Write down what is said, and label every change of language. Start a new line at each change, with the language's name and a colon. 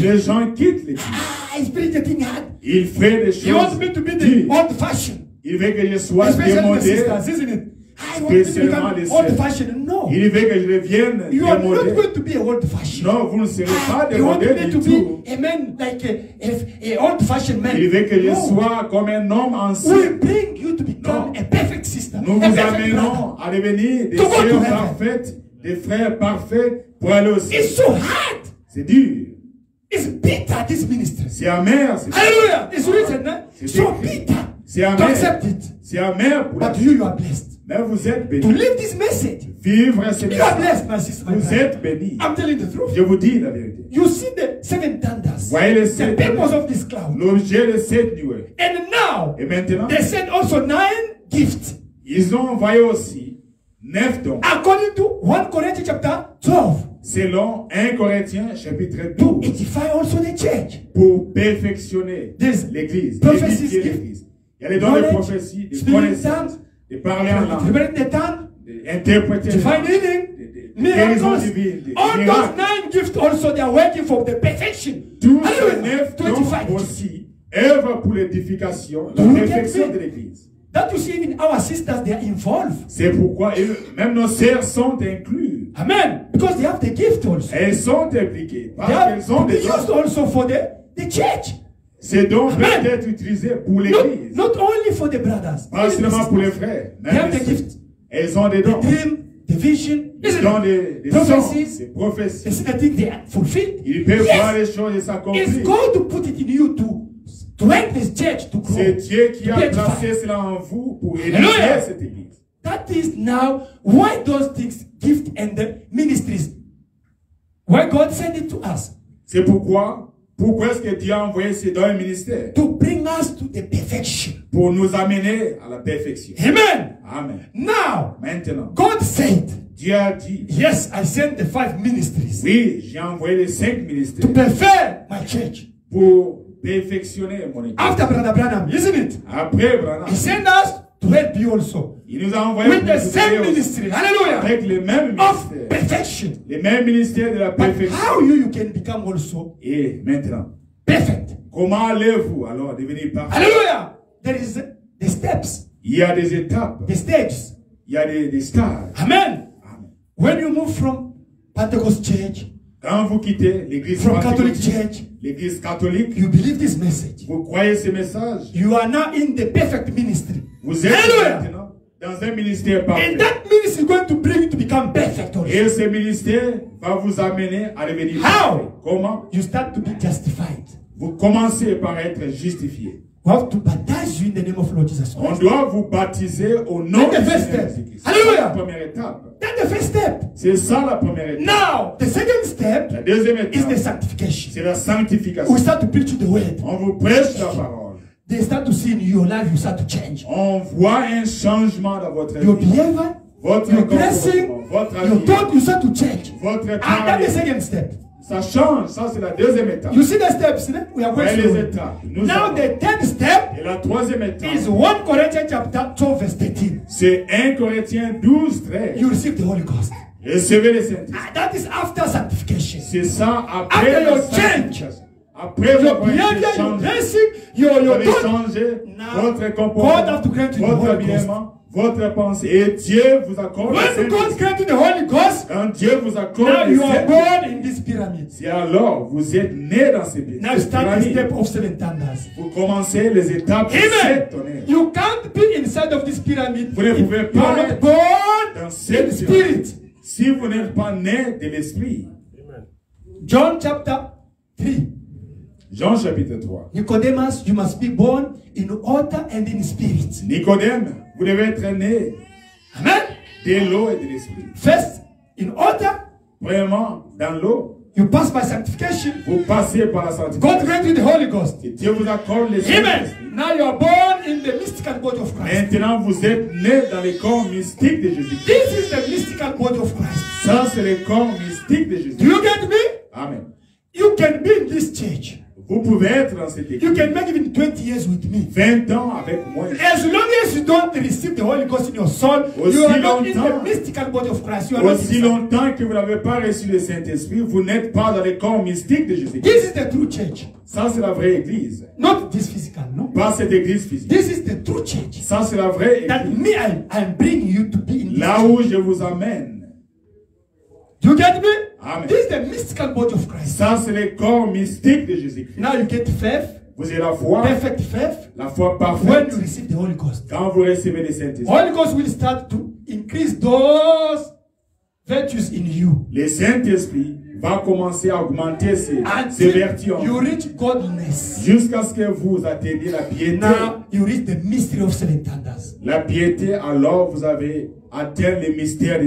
French: Les gens quittent l'église.
English: Ah, he's preaching the thing hard.
French: Il fait des choses.
English: He wants me to be the old fashioned.
French: Il veut que je sois démodé.
English: Especially the sisters, isn't it? I want to become old-fashioned. No. You are not going to be a old-fashioned.
French: No, vous ne serez pas de modèle du tout.
English: A man like an old-fashioned man.
French: Il veut que je sois comme un homme ancien.
English: We bring you to become a perfect sister.
French: Nous vous amenons à devenir des sœurs parfaites, des frères parfaits pour aller au ciel.
English: It's so hard.
French: C'est dur.
English: It's bitter, this ministry.
French: C'est amer.
English: Hallelujah. It's written. So bitter.
French: C'est amer.
English: To accept it.
French: C'est amer.
English: But you are blessed.
French: Mais vous êtes béni.
English: To live this message.
French: Vivre ce message.
English: You are blessed, my sister.
French: Vous êtes béni.
English: I'm telling the truth.
French: Je vous dis la vérité.
English: You see the seven thunders.
French: Voyez les sept.
English: The purpose of this cloud.
French: L'objet de cette nuée.
English: And now.
French: Et maintenant.
English: They sent also nine gifts.
French: Ils ont envoyé aussi neuf dons.
English: According to 1 Corinthians chapter 12.
French: Selon 1 Corinthiens chapitre 12.
English: To edify also the church.
French: Pour perfectionner
English: this
French: l'Église.
English: Prophecies gift.
French: Il y a les dons de prophétie, des connaissances. De parler en langue, d'interpréter, de
English: divine healing, miracles, all those nine gifts also they are working for the perfection.
French: Tous ces neuf dons aussi œuvrent pour l'édification, la perfection de l'Église.
English: That you see even our sisters they are involved.
French: C'est pourquoi même nos sœurs sont incluses.
English: Amen. Because they have the gift also.
French: Elles sont impliquées parce qu'elles ont des
English: dons. They are used also for the church.
French: Ces dons peuvent être utilisés pour l'Église.
English: Not only for the brothers.
French: Pas seulement pour les frères.
English: They have the gift.
French: Elles ont des dons.
English: The dream, the vision.
French: Ils ont des prophéties. Des prophéties.
English: I think they are fulfilled.
French: Ils peuvent voir les choses et s'accomplir.
English: It's God to put it in you to help this church to grow.
French: C'est Dieu qui a placé cela en vous pour édifier cette Église.
English: That is now why those things, gift and the ministries, why God sent it to us.
French: C'est pourquoi. Pourquoi est-ce que Dieu a envoyé ces dons au ministère?
English: To bring us to the perfection.
French: Pour nous amener à la perfection. Amen. Amen.
English: Now,
French: maintenant,
English: God said,
French: Dieu a dit,
English: yes, I sent the five ministries.
French: Oui, j'ai envoyé les cinq ministères.
English: To perfect my church.
French: Pour perfectionner mon église.
English: After Brother Branham, isn't it?
French: Après Branham.
English: He sent us to help you also.
French: Il nous a envoyé
English: with the same ministry. Hallelujah.
French: Avec les mêmes ministères.
English: Of perfection.
French: Les mêmes ministères de la perfection.
English: But how you can become also
French: maintenant,
English: perfect.
French: Comment allez-vous alors devenir parfait?
English: Hallelujah. There is the steps.
French: Il y a des étapes.
English: The stages.
French: Il y a des stages. Amen. Amen.
English: When you move from Pentecost Church.
French: Quand vous quittez l'église
English: from Catholic Church.
French: L'église catholique.
English: You believe this message.
French: Vous croyez ce message.
English: You are now in the perfect ministry.
French: Vous êtes Hallelujah. Maintenant dans un ministère parfait.
English: And that ministry is going to bring you to become perfect.
French: Et ce ministère va vous amener à devenir Parfait. Comment?
English: You start to be justified.
French: Vous commencez par être justifié.
English: We have to baptize you in the name of Lord Jesus Christ.
French: On doit vous baptiser au nom de Jésus Christ. Hallelujah. C'est la première étape.
English: That's the first step.
French: C'est ça la première étape.
English: Now, the second step
French: la deuxième étape
English: is the sanctification.
French: C'est la sanctification.
English: We start to preach the word.
French: On vous prêche la parole.
English: They start to see in your life, you start to change.
French: On voit un changement dans votre vie.
English: Your behavior,
French: votre
English: your dressing,
French: votre
English: your thought, you start to change.
French: Votre
English: and that's the second step.
French: Ça change, ça c'est la deuxième étape.
English: You see the steps, né? We are going through.
French: Étapes,
English: now avons. The third step
French: et la troisième étape
English: is 1 Corinthians chapter 12 verse 13.
French: C'est 1 Corinthiens 12, 13.
English: You receive the Holy Ghost.
French: Recevez le Saint-Esprit.
English: That is after sanctification.
French: C'est ça après
English: after your change.
French: Après
English: your behavior, your dressing, your
French: changé,
English: now,
French: votre comportement,
English: God have to grant you
French: votre bien-aimant, votre pensée, et Dieu vous accorde le Saint-Esprit. Quand Dieu vous accorde
English: le Saint-Esprit, now you are born in this pyramid.
French: Et alors, vous êtes né dans ces pyramides.
English: Now start the step of seven thunders.
French: Vous commencez les étapes de sept tonnerres.
English: You can't be inside of this pyramid.
French: Vous ne pouvez pas
English: you are not born
French: dans cette
English: in spirit.
French: Si vous n'êtes pas né de l'Esprit.
English: Amen. John chapter 3.
French: Jean chapitre 3.
English: Nicodemus, you must be born in water and in spirit.
French: Nicodème, vous devez être né. Amen. De l'eau et de l'esprit.
English: First, in water.
French: Vraiment, dans l'eau.
English: You pass by sanctification.
French: Vous passez par la sanctification.
English: God grant you the Holy Ghost.
French: Et Dieu vous accorde l'esprit. Amen.
English: Now you are born in the mystical body of Christ.
French: Maintenant, vous êtes né dans le corps mystique de Jésus.
English: This is the mystical body of Christ.
French: Ça, c'est le corps mystique de Jésus.
English: Do you get me? Amen. You can be in this church.
French: Vous pouvez être dans cette équipe.
English: You can make even 20 years with me.
French: 20 ans avec moi.
English: As long as you don't receive the Holy Ghost in your soul,
French: aussi
English: you are not in the mystical body of Christ. You are
French: aussi longtemps que vous n'avez pas reçu le Saint-Esprit, vous n'êtes pas dans le corps mystique de Jésus-Christ.
English: This is the true church.
French: Ça, c'est la vraie église.
English: Not this physical, no.
French: Pas cette église physique.
English: This is the true church.
French: Ça, c'est la vraie église.
English: That me, I'm bringing you to be in
French: là
English: this
French: où church. Je vous amène.
English: You get me? Amen. This is the mystical body of Christ.
French: Ça, c'est le corps mystique de Jésus-Christ.
English: Now you get faith.
French: Vous avez la foi.
English: Perfect faith.
French: La foi parfaite.
English: When you receive the Holy Ghost.
French: Quand vous recevez le Saint-Esprit.
English: Holy Ghost will start to increase those virtues in you.
French: Le Saint-Esprit va commencer à augmenter ses vertus.
English: You reach godliness.
French: Jusqu'à ce que vous atteigniez la piété.
English: Now you reach the mystery of Saint-Esprit.
French: La piété, alors vous avez atteint le mystère de